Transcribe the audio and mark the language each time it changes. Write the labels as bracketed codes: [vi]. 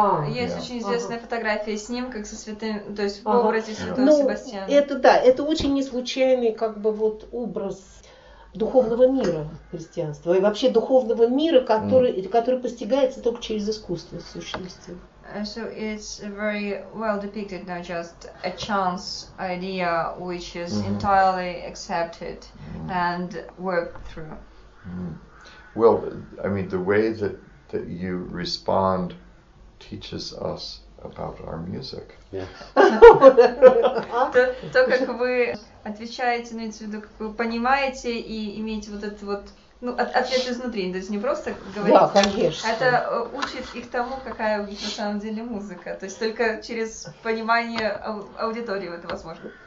[ru] Есть очень известная фотография с ним, как со святым, то есть в образе святого Себастьяна. Это очень неслучайный как бы вот образ духовного мира христианства и вообще духовного мира, который постигается только через искусство в сущности. [en] So it's very well depicted, not just a chance idea, which is mm-hmm. entirely accepted mm-hmm. and worked through. Mm-hmm. Well, I mean, the way that you respond teaches us about our music. Yes. [ru] То, как вы отвечаете, имеете в виду, как вы понимаете и имеете вот этот вот, ну, ответ изнутри, то есть не просто говорить. Да, конечно. Это учит их тому, какая у них на самом деле музыка. То есть только через понимание аудитории это возможно.